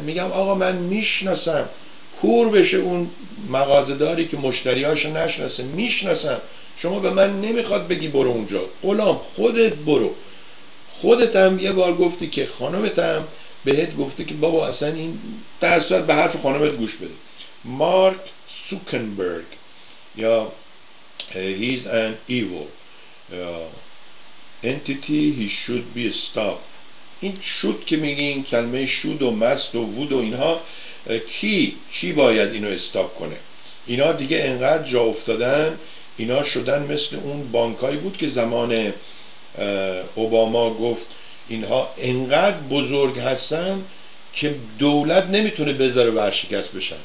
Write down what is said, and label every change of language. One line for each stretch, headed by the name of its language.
Persian: میگم آقا من میشناسم، کور بشه اون مغازه‌داری که مشتریاشو نشناسه، میشناسم، شما به من نمیخواد بگی برو اونجا، غلام خودت برو. خودت هم یه بار گفتی که خانومت هم بهت گفته که بابا اصلا این درصورت به حرف خانومت گوش بده.
English: Mark Zuckerberg یا he's an evil entity, he should be stopped.
Persian: این شود که میگی، این کلمه شود و مست و وود و اینها، کی باید اینو استاب کنه؟ اینا دیگه انقدر جا افتادن، اینا شدن مثل اون بانکایی بود که زمان اوباما گفت اینها انقدر بزرگ هستن که دولت نمیتونه بذاره ورشکست بشن.